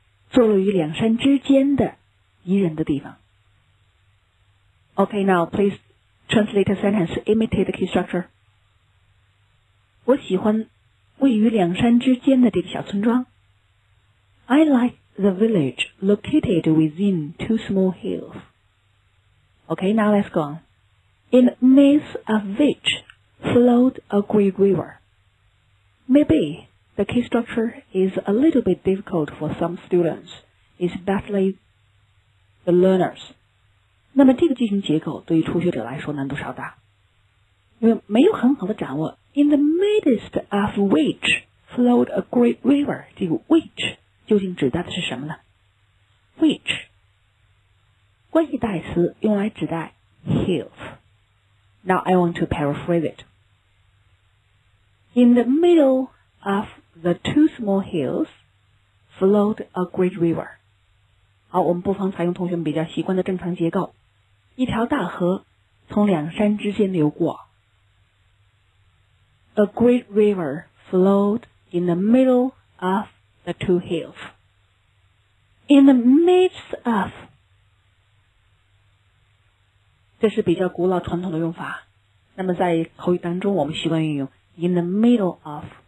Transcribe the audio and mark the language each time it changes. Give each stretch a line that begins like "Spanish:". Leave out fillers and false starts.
Chinese: 坐落于两山之间的宜人的地方。
English: Okay, now please translate a sentence, imitate the key structure.
Chinese: 我喜欢位于两山之间的这个小村庄。
English: I like the village located within two small hills. Okay, now let's go on. In the midst of which flowed a great river. Maybe the key structure is a little bit difficult for some students, especially the learners.
Chinese: 那么这个句型结构对于初学者来说难度稍大，因为没有很好的掌握。
English: In the midst of which flowed a great river.
Chinese: 这个 which 究竟指代的是什么呢 ？Which 关系代词用来指代 hills.
English: Now I want to paraphrase it. In the middle of the two small hills, flowed a great river.
Chinese: 好，我们不妨采用同学们比较习惯的正常结构。一条大河从两山之间流过。
English: A great river flowed in the middle of the two hills. In the midst of,
Chinese: 这是比较古老传统的用法。那么在口语当中，我们习惯运用。
English: In the middle of